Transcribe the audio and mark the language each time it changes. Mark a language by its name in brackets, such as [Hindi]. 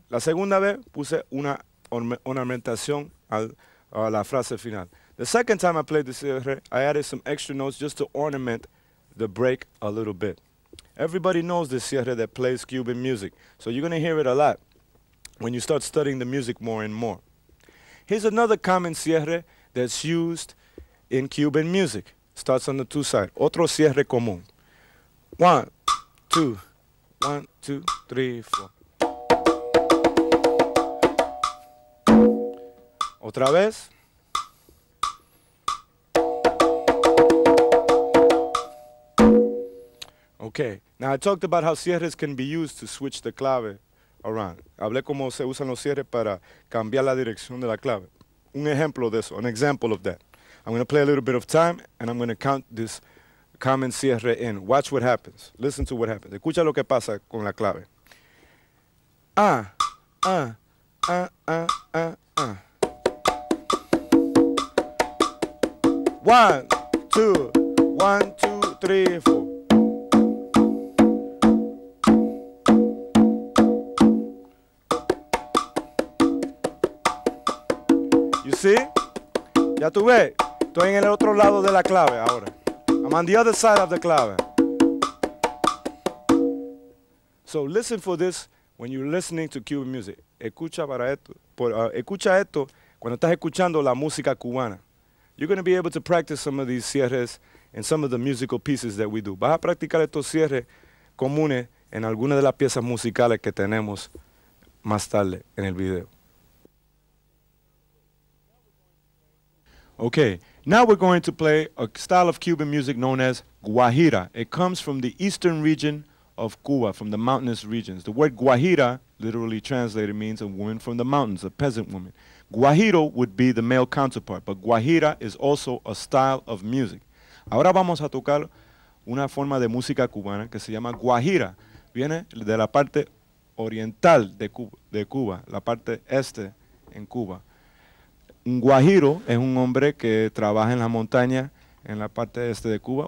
[Spanish] La segunda vez puse una ornamentación a la frase final. [English] The second time I played the cierre, I added some extra notes just to ornament the break a little bit. Everybody knows the cierre that plays Cuban music, so you're going to hear it a lot when you start studying the music more and more. Here's another common cierre that's used in Cuban music. Starts on the two side. [Spanish] Otro cierre común. [English] One, two, one, two, three, four. [Spanish] Otra vez. [English] Okay, now I talked about how cierres can be used to switch the clave around. [Spanish] Hablé cómo se usan los cierres para cambiar la dirección de la clave. Un ejemplo de eso, [English] an example of that. I'm going to play a little bit of time, and I'm going to count this common cierre in. Watch what happens. Listen to what happens. [Spanish] Escucha lo que pasa con la clave. Ah, ah, ah, ah, ah, ah. [English] One, two, one, two, three, four. See? [Spanish] Ya tú ves, estoy en el otro lado de la clave ahora. [English] I'm on the other side of the clave. So listen for this when you're listening to Cuban music. [Spanish] Escucha para esto, escucha esto cuando estás escuchando la música cubana. [English] You're going to be able to practice some of these cierres in some of the musical pieces that we do. [Spanish] Vas a practicar estos cierres comunes en algunas de las piezas musicales que tenemos más tarde en el video. [English] Okay, now we're going to play a style of Cuban music known as guajira. It comes from the eastern region of Cuba, from the mountainous regions. The word guajira, literally translated, means a woman from the mountains, a peasant woman. Guajiro would be the male counterpart, but guajira is also a style of music. [Spanish] Ahora vamos a tocar una forma de música cubana que se llama guajira. Viene de la parte oriental de Cuba, la parte este en Cuba. Un guajiro es un hombre que trabaja en la montaña en la parte este de Cuba.